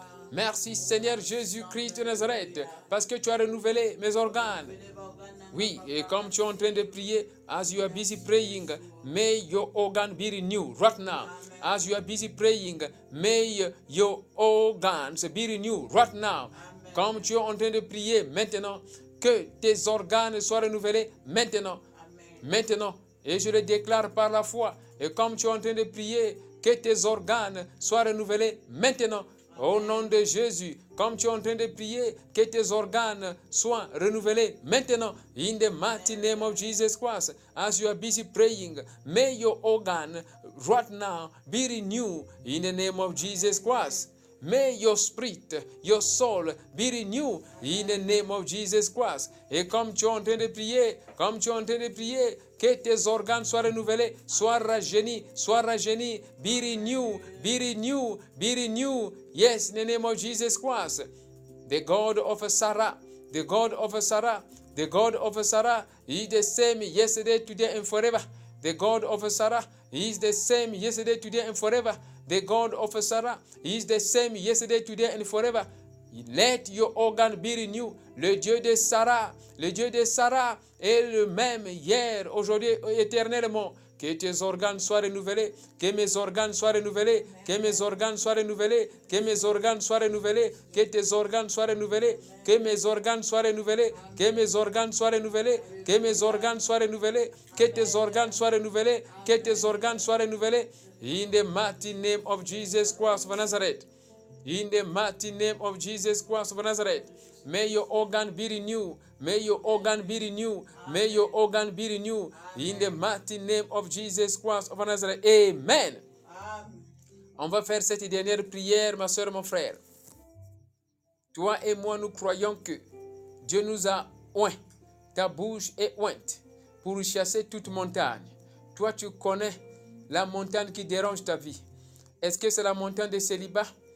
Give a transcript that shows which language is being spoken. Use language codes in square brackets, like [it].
[fr] Merci, Seigneur Jésus-Christ de Nazareth, parce que tu as renouvelé mes organes. Oui, et comme tu es en train de prier, [en] as you are busy praying, may your organ be renewed right now. As you are busy praying, may your organs be renewed right now. [fr] Comme tu es en train de prier maintenant, que tes organes soient renouvelés maintenant. Maintenant, et je le déclare par la foi. Et comme tu es en train de prier, que tes organes soient renouvelés maintenant. Au nom de Jésus, comme tu es en train de prier, que tes organes soient renouvelés maintenant. [en] In the mighty name of Jesus Christ, as you are busy praying, may your organ right now be renewed in the name of Jesus Christ. May your spirit, your soul be renewed in the name of Jesus Christ. Et comme tu es en train de prier, comme tu es en train de prier, que tes organes soient renouvelés, soient rajeunis, be renewed, be renewed, be renewed. Yes, in the name of Jesus Christ, the God of Sarah, the God of Sarah, the God of Sarah is the same yesterday, today, and forever. The God of Sarah is the same yesterday, today, and forever. The God of Sarah is the same yesterday, today, and forever. Let your organ be renewed. [fr] Le Dieu de Sarah est le même hier, aujourd'hui, éternellement. Que tes organes soient renouvelés, que mes organes soient renouvelés, que mes organes soient renouvelés, que mes organes soient renouvelés, que tes organes soient renouvelés, que mes organes soient renouvelés, que mes organes soient renouvelés, que mes organes soient renouvelés, que tes organes soient renouvelés, que tes organes soient renouvelés. [en] In the mighty name of Jesus Christ of Nazareth. In the mighty name of Jesus Christ of Nazareth. May your organ be renewed. May your organ be renewed. May your organ be renewed. In the mighty name of Jesus Christ of Nazareth. Amen. [fr] On va faire cette dernière prière, ma soeur, mon frère. Toi et moi, nous croyons que Dieu nous a oint. Ta bouche est ointe pour chasser toute montagne. Toi, tu connais la montagne qui dérange ta vie. Est-ce que c'est la montagne de célibat?